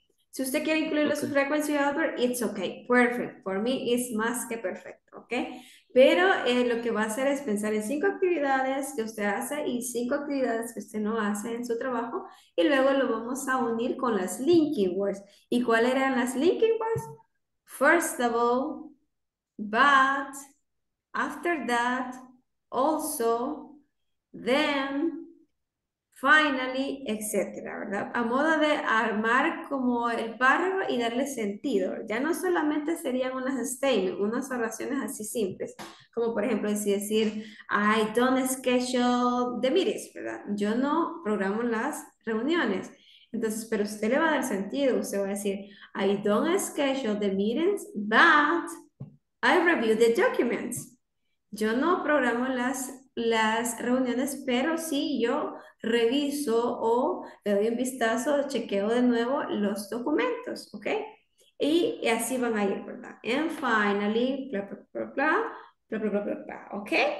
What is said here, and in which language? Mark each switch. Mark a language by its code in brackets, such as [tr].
[es] Si usted quiere incluir los frequency adverbs, [en] it's okay, perfect. For me, it's [es] más que perfecto, ¿ok? Pero lo que va a hacer es pensar en 5 actividades que usted hace y 5 actividades que usted no hace en su trabajo. Y luego lo vamos a unir con las linking words. ¿Y cuáles eran las linking words? [en] First of all, but, after that, also, then, finally, etc. [es] ¿Verdad? A modo de armar como el párrafo y darle sentido. Ya no solamente serían unas statements, unas oraciones así simples. Como por ejemplo, si decir, [en] I don't schedule the meetings, [es] ¿verdad? Yo no programo las reuniones. Entonces, pero usted le va a dar sentido. Usted va a decir, [en] I don't schedule the meetings, but I review the documents. [es] Yo no programo las reuniones, pero sí yo reviso o le doy un vistazo, chequeo de nuevo los documentos, ¿ok? Y así van a ir, ¿verdad? [en] And finally, [es] bla, bla, bla, bla, bla, bla, bla, bla, ¿ok?